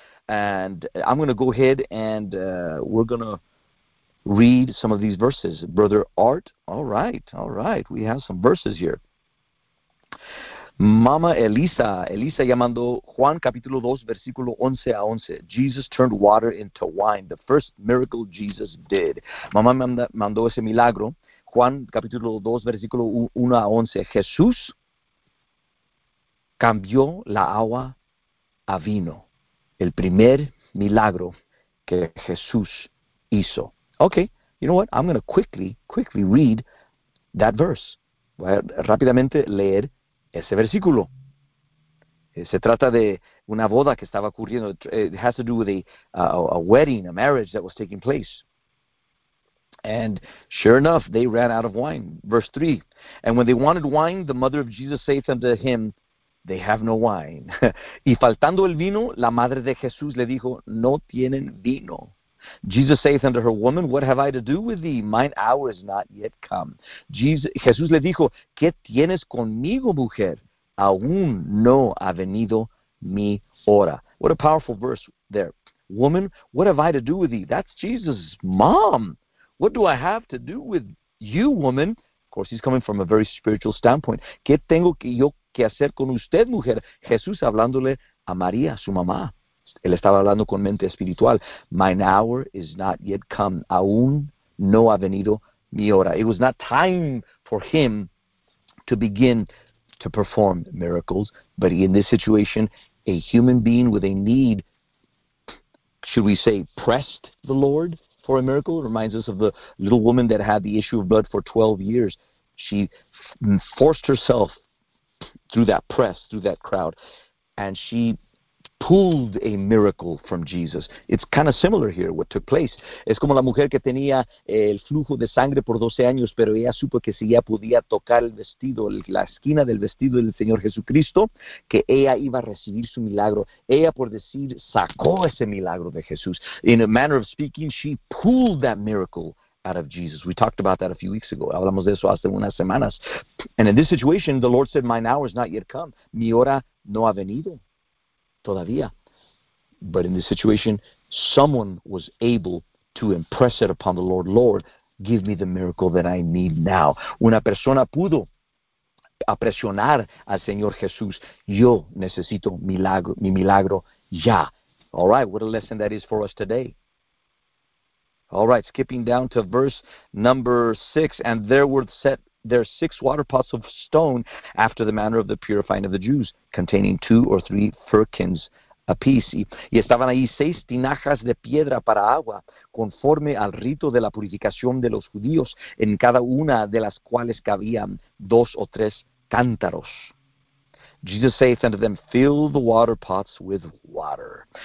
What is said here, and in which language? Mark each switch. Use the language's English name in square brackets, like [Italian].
[English] And I'm going to go ahead and we're going to read some of these verses. Brother Art, all right. We have some verses here. [Spanish] Mama Elisa, Elisa llamando Juan capítulo 2, versículo 11 a 11. [English] Jesus turned water into wine, the first miracle Jesus did. [Spanish] Mama mandó ese milagro. Juan capítulo 2, versículo 1 a 11. Jesús cambió la agua a vino. El primer milagro que Jesús hizo. [English] Okay, you know what? I'm going to quickly read that verse. [Spanish] Voy a rápidamente leer ese versículo. Se trata de una boda que estaba ocurriendo. [English] It has to do with a wedding, a marriage that was taking place. And sure enough, they ran out of wine. Verse 3. And when they wanted wine, the mother of Jesus saith unto him, they have no wine. [Spanish] Y faltando el vino, la madre de Jesús le dijo, no tienen vino. [English] Jesus saith unto her, woman, what have I to do with thee? Mine hour is not yet come. [Spanish] Jesús le dijo, ¿qué tienes conmigo, mujer? Aún no ha venido mi hora. [English] What a powerful verse there. Woman, what have I to do with thee? That's Jesus' mom. What do I have to do with you, woman? Of course, he's coming from a very spiritual standpoint. [Spanish] ¿Qué tengo yo que hacer con usted, mujer? Jesús hablándole a María, su mamá. Él estaba hablando con mente espiritual. [English] Mine hour is not yet come. [Spanish] Aún no ha venido mi hora. [English] It was not time for him to begin to perform miracles. But in this situation, a human being with a need, should we say, pressed the Lord for a miracle. It reminds us of the little woman that had the issue of blood for 12 years. She forced herself through that press, through that crowd, and she pulled a miracle from Jesus. It's kind of similar here, what took place. [Spanish] Es como la mujer que tenía el flujo de sangre por 12 años, pero ella supo que si ella podía tocar el vestido, la esquina del vestido del Señor Jesucristo, que ella iba a recibir su milagro. Ella, por decir, sacó ese milagro de Jesús. [English] In a manner of speaking, she pulled that miracle out of Jesus. We talked about that a few weeks ago. [Spanish] Hablamos de eso hace unas semanas. [English] And in this situation, the Lord said, mine hour is not yet come. [Spanish] Mi hora no ha venido. Todavía. [English] But in this situation, someone was able to impress it upon the Lord. Lord, give me the miracle that I need now. [Spanish] Una persona pudo presionar al Señor Jesús. Yo necesito mi milagro ya. [English] All right, what a lesson that is for us today. All right, skipping down to verse number 6. And there were set there 6 water pots of stone after the manner of the purifying of the Jews, containing 2 or 3 firkins apiece. [Spanish] Y estaban ahí 6 tinajas de piedra para agua, conforme al rito de la purificación de los judíos, en cada una de las cuales cabían 2 or 3 cántaros. [English] Jesus saith unto them, fill the water pots with water.